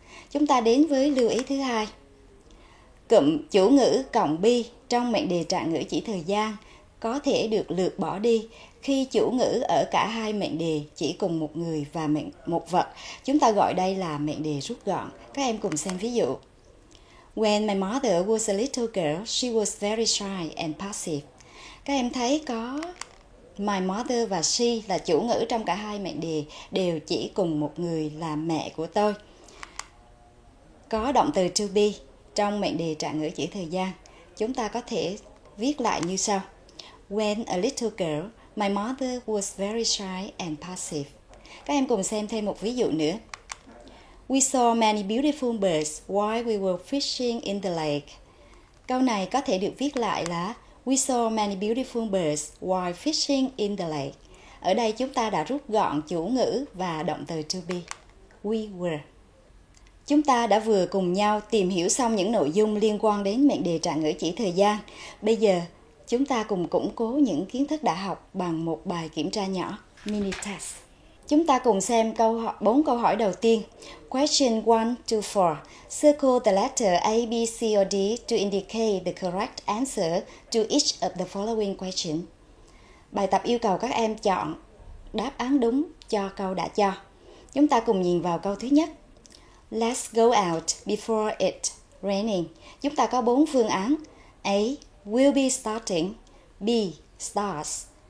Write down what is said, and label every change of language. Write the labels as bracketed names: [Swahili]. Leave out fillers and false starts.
[Vietnamese] Chúng ta đến với lưu ý thứ hai. Cụm chủ ngữ cộng be trong mệnh đề trạng ngữ chỉ thời gian có thể được lược bỏ đi khi chủ ngữ ở cả hai mệnh đề chỉ cùng một người và một vật. Chúng ta gọi đây là mệnh đề rút gọn. Các em cùng xem ví dụ. [English] When my mother was a little girl, she was very shy and passive. [Vietnamese] Các em thấy có my mother và she là chủ ngữ trong cả hai mệnh đề đều chỉ cùng một người là mẹ của tôi. Có động từ to be trong mệnh đề trạng ngữ chỉ thời gian. Chúng ta có thể viết lại như sau. [English] When a little girl, my mother was very shy and passive. [Vietnamese] Các em cùng xem thêm một ví dụ nữa. [English] We saw many beautiful birds while we were fishing in the lake. [Vietnamese] Câu này có thể được viết lại là [English] We saw many beautiful birds while fishing in the lake. [Vietnamese] Ở đây chúng ta đã rút gọn chủ ngữ và động từ to be. [English] We were. [Vietnamese] Chúng ta đã vừa cùng nhau tìm hiểu xong những nội dung liên quan đến mệnh đề trạng ngữ chỉ thời gian. Bây giờ, chúng ta cùng củng cố những kiến thức đã học bằng một bài kiểm tra nhỏ, [English] mini test. [Vietnamese] Chúng ta cùng xem bốn câu hỏi đầu tiên. [English] Question 1 to 4. Circle the letter A, B, C, or D to indicate the correct answer to each of the following questions. [Vietnamese] Bài tập yêu cầu các em chọn đáp án đúng cho câu đã cho. Chúng ta cùng nhìn vào câu thứ nhất. [English] Let's go out before it raining. [Vietnamese] Chúng ta có 4 phương án. [English] A, will be starting. B, starts.